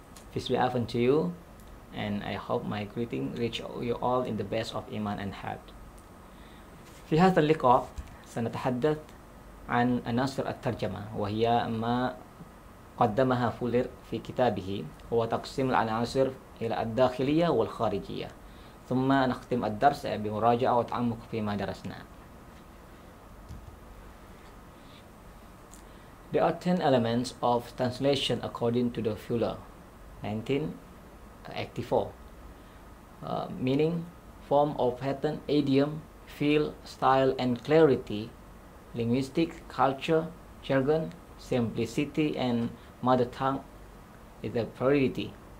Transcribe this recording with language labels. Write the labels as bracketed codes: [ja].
[en] Peace be upon to you, and I hope my greeting reach you all in the best of iman and heart. [ar] في هذا اللقاء سنتحدث عن عناصر الترجمة وهي ما قدمها فولر في كتابه وتقسيم العناصر إلى الداخلية والخارجية. ثم نختم الدرس بمراجعة وتعمق فيما درسنا. [en] There are 10 elements of translation according to the Fuller 1984, meaning form of pattern, idiom, feel, style and clarity, linguistic, culture, jargon, simplicity and mother tongue is a priority.